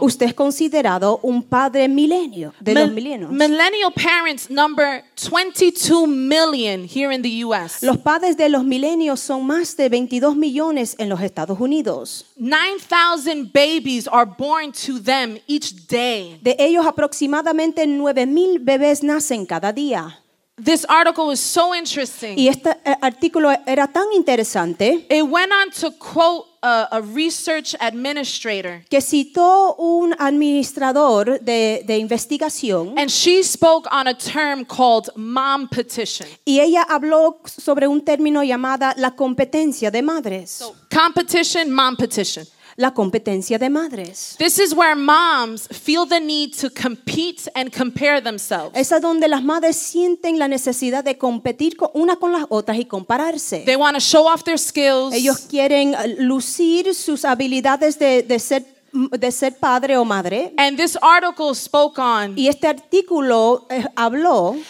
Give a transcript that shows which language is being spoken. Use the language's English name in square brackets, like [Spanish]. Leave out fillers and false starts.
[Spanish] Usted es considerado un padre milenio de los milenios. [English] Millennial parents number 22 million here in the U.S. [Spanish] Los padres de los milenios son más de 22 millones en los Estados Unidos. [English] 9,000 babies are born to them each day. [Spanish] De ellos aproximadamente 9,000 bebés nacen cada día. [English] This article was so interesting. [Spanish] Y este artículo era tan interesante. [English] It went on to quote a research administrator. [Spanish] Que citó un administrador de investigación. [English] And she spoke on a term called mom petition. [Spanish] Y ella habló sobre un término llamada la competencia de madres. [English] So, competition, mom petition. [Spanish] La competencia de madres. [English] This is where moms feel the need to compete and compare themselves. [Spanish] Es a donde las madres sienten la necesidad de competir con una con las otras y compararse. [English] They want to show off their skills. [Spanish] Ellos quieren lucir sus habilidades de ser padre o madre. [English] And this article spoke on. [Spanish] Y este artículo habló.